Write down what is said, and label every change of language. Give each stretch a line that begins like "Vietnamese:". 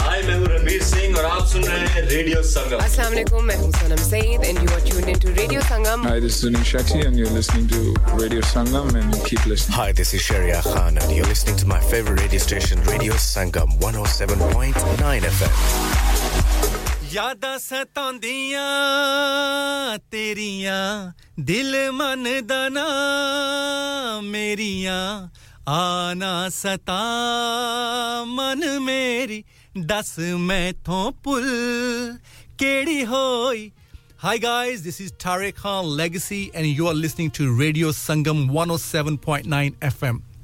Hindi: Hi, main hoon Ranveer Singh, aur aap sun rahe Radio Sangam.
Arabic: Assalamu alaikum.
Hindi: Main hoon
English: Sanam Saeed, and you are tuned into Radio Sangam. Hi, this is Zunin Shetty, and you're listening to Radio Sangam, and keep listening. Hi, this is Sharia Khan, and you're listening to my favorite radio station, Radio Sangam 107.9 FM.
Punjabi: ਯਾਦਾਂ ਸਤਾਉਂਦੀਆਂ ਤੇਰੀਆਂ ਦਿਲ ਮਨ ਦਾ ਨਾ ਮੇਰੀਆਂ ਆਨਾ ਸਤਾ ਮਨ ਮੇਰੀ ਦੱਸ ਮੈਥੋਂ ਭੁੱਲ ਕਿਹੜੀ ਹੋਈ
English: Hi guys, this is Tariq Khan Legacy and you are listening to Radio Sangam 107.9 FM.